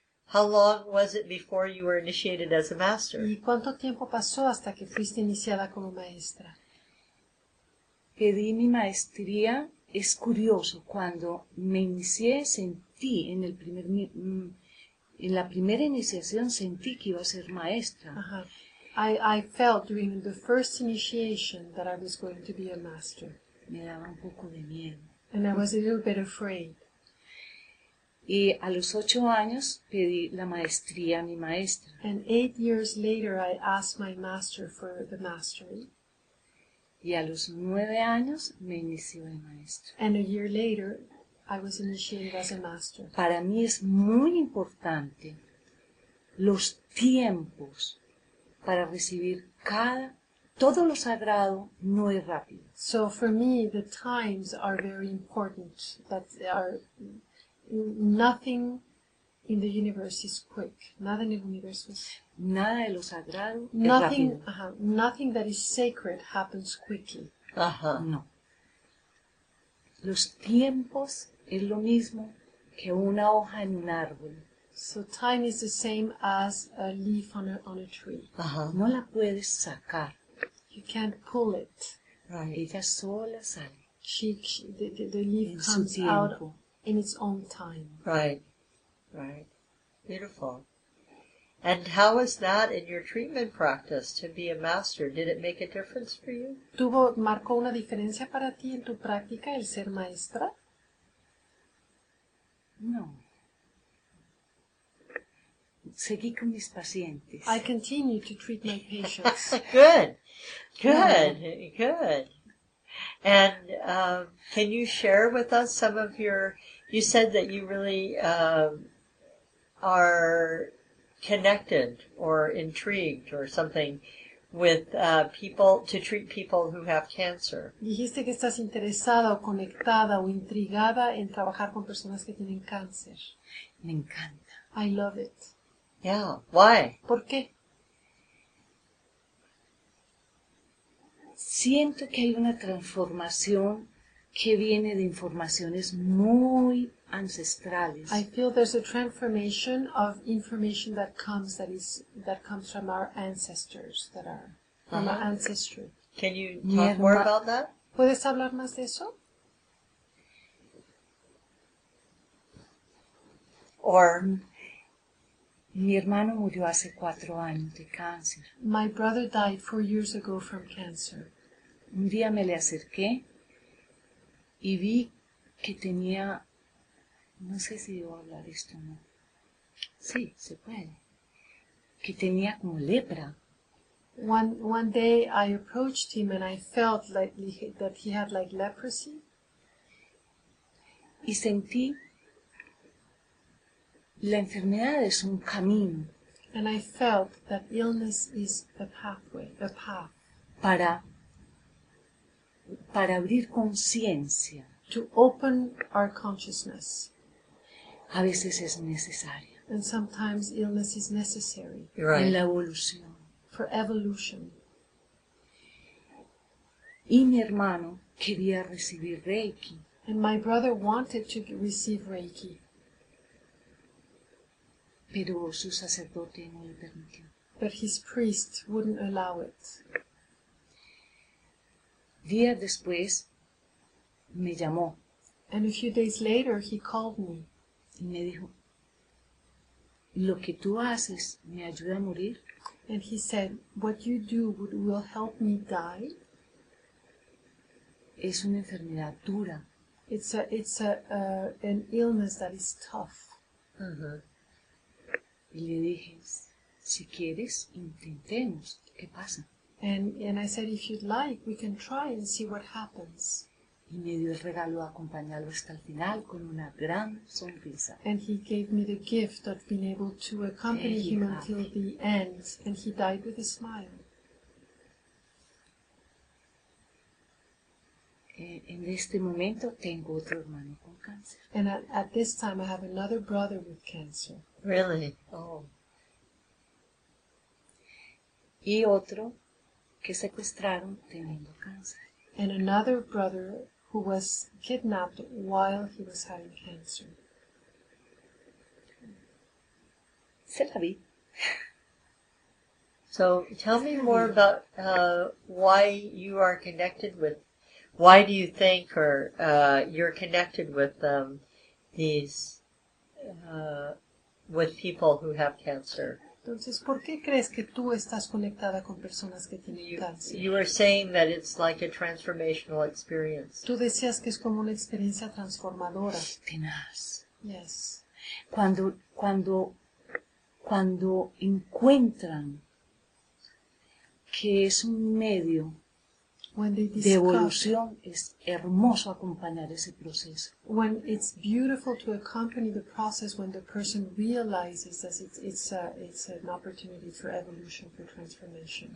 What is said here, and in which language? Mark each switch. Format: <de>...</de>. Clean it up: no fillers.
<en>How long was it before you were initiated as a master?</en> <es>¿Y cuánto tiempo pasó hasta que fuiste iniciada como maestra? Pedí mi maestría. Es curioso, cuando me inicié, sentí en el primer, en la primera iniciación, sentí que iba a ser maestra.</es> <en>I felt during the first initiation that I was going to be a master.</en> <es>Me daba un poco de miedo.</es> <en>And I was a little bit afraid.</en> <es>Y a los 8 años pedí la maestría a mi maestra.</es> <en>And 8 years later I asked my master for the mastery.</en> <es>Y a los 9 años me inicié de maestro.</es> <en>And a year later I was initiated as a master.</en> <es>Para mí es muy importante los tiempos. Para recibir cada, todo lo sagrado no es rápido.</es> <en>So for me, the times are very important. That are nothing in the universe is quick.</en> <es>Nada en el universo es. Nada de lo sagrado</es> <en>nothing,</en> <es>es rápido.</es> <en>Nothing that is sacred happens quickly.</en> <es>No. Los tiempos es lo mismo que una hoja en un árbol.</es> <en>So time is the same as a leaf on a tree.</en> <es>No la puedes sacar.</es> <en>You can't pull it.</en> <es>Right. Ella sola sale.</es> <en>The leaf</en> <es>en</es> <en>comes out in its own time. Right. Right. Beautiful. And how is that in your treatment practice to be a master? Did it make a difference for you?</en> <es>¿Tuvo, marcó una diferencia para ti en tu práctica el ser maestra? No. Seguí con mis pacientes.</es> <en>I continue to treat my patients. Good. Good. Yeah. Good. And can you share with us some of your... You said that you really are connected or intrigued or something with people, to treat people who have cancer.</en> <es>Dijiste que estás interesada o conectada o intrigada en trabajar con personas que tienen cáncer. Me encanta.</es> <en>I love it. Yeah. Why?</en> <es>¿Por qué? Siento que hay una transformación que viene de informaciones muy ancestrales.</es> <en>I feel there's a transformation of information that comes from our ancestors, that are from our ancestry. Can you talk more about that?</en> <es>¿Puedes hablar más de eso? Or mi hermano murió hace 4 años de cáncer.</es> <en>My brother died 4 years ago from cancer.</en> <es>Un día me le acerqué y vi que tenía, no sé si debo hablar esto o no. Sí, se puede. Que tenía como lepra.</es> <en>One day I approached him and I felt like that he had like leprosy.</en> <es>Y sentí. La enfermedad es un camino.</es> <en>And I felt that illness is a pathway, a path.</en> <es>Para abrir conciencia.</es> <en>To open our consciousness.</en> <es>A veces es necesaria.</es> <en>And sometimes illness is necessary. Right.</en> <es>En la evolución.</es> <en>For evolution.</en> <es>Y mi hermano quería recibir Reiki.</es> <en>And my brother wanted to receive Reiki.</en> <es>Pero su sacerdote no le permitió.</es> <en>But his priest wouldn't allow it.</en> <es>Día después, me llamó.</es> <en>And a few days later, he called me.</en> <es>Y me dijo, lo que tú haces me ayuda a morir.</es> <en>And he said, what you do will help me die.</en> <es>Es una enfermedad dura.</es> <en>It's an illness that is tough.</en> <es>Y le dije, si quieres, intentemos, ¿qué pasa?</es> <en>And I said, if you'd like, we can try and see what happens.</en> <es>Y me dio el regalo de acompañarlo hasta el final con una gran sonrisa.</es> <en>And he gave me the gift of being able to accompany him until the end, and he died with a smile.</en> <es>En este momento tengo otro hermano con cáncer.</es> <en>And at this time I have another brother with cancer. Really?</en> <es>Oh. Y otro que secuestraron teniendo cáncer.</es> <en>And another brother who was kidnapped while he was having cancer.</en> <fr>C'est la vie.</fr> <en>So tell me more about why you are connected with, why do you think or you're connected with these, with people who have cancer?</en> <es>Entonces, ¿por qué crees que tú estás conectada con personas que tienen cáncer?</es> <en>You were saying that it's like a transformational experience.</en> <es>Tú decías que es como una experiencia transformadora. Tenaz.</es> <en>Yes.</en> <es>Cuando encuentran que es un medio de evolución, es hermoso acompañar ese proceso.</es> <en>When it's beautiful to accompany the process when the person realizes that it's an opportunity for evolution, for transformation.</en>